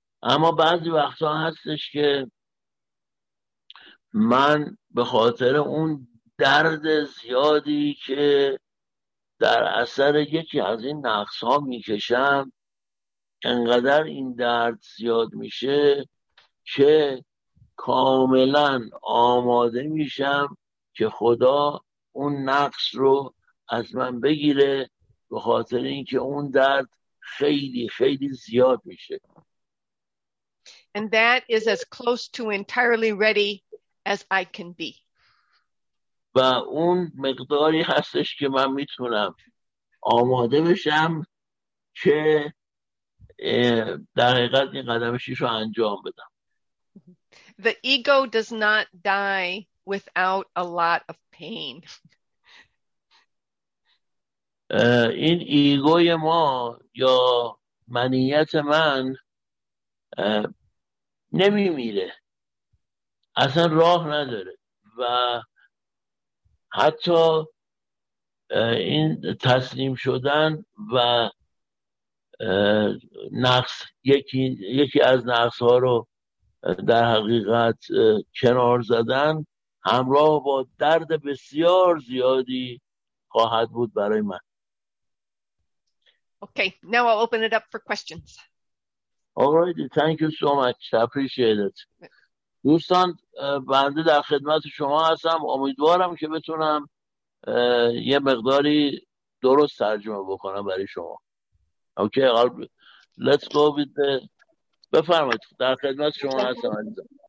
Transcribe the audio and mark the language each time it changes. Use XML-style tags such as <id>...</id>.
<fa>اما بعضی وقتا هستش که من به خاطر اون درد زیادی که در اثر یکی از این نقص ها میکشم، انقدر این درد زیاد میشه که کاملا آماده میشم که خدا اون نقص رو از من بگیره به خاطر اینکه اون درد خیلی خیلی زیاد میشه.</fa> <en>And that is as close to entirely ready as I can be.</en> <fa>و اون مقداری هستش که من میتونم آماده بشم که در حقیقت این قدم شیش رو انجام بدم.</fa> <en>The ego does not die without a lot of pain.</en> <fa>این ایگوی ما یا منیت من نمیمیره، اصلا راه نداره و حتی این تسلیم شدن و نقص یکی از نقص ها رو در حقیقت کنار زدن همراه با درد بسیار زیادی خواهد بود برای من.</fa> <en>Okay, now I'll open it up for questions. All right, thank you so much. I appreciate it.</en> <fa>دوستان بنده در خدمت شما هستم، امیدوارم که بتونم یه مقداری درست ترجمه بکنم برای شما.</fa> <en>okay قلب let's go with the,</en> <fa>بفرمایید در خدمت شما هستم عزیزم.</fa>